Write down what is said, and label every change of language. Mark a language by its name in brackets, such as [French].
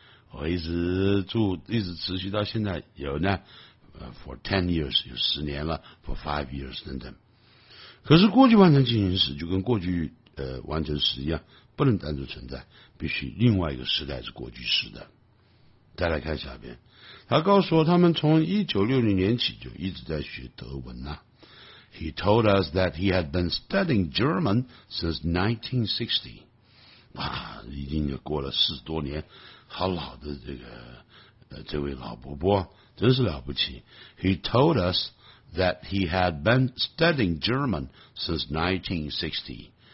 [Chinese] 我一直住，一直持续到现在，有呢 [English] for 10 years, [Chinese] 有10年了 [English] for 5 years [Chinese] 等等。可是过去完成进行时就跟过去完成时一样，不能单独存在，必须另外一个时代是过去时的。再来看下边，他告诉我他们从1960年起就一直在学德文呢、啊。 [English] He told us that he had been studying German since 1960. [Chinese] 哇，已经过了40多年，好老的这个这位老伯伯真是了不起。 [English] He told us that he had been studying German since 1960.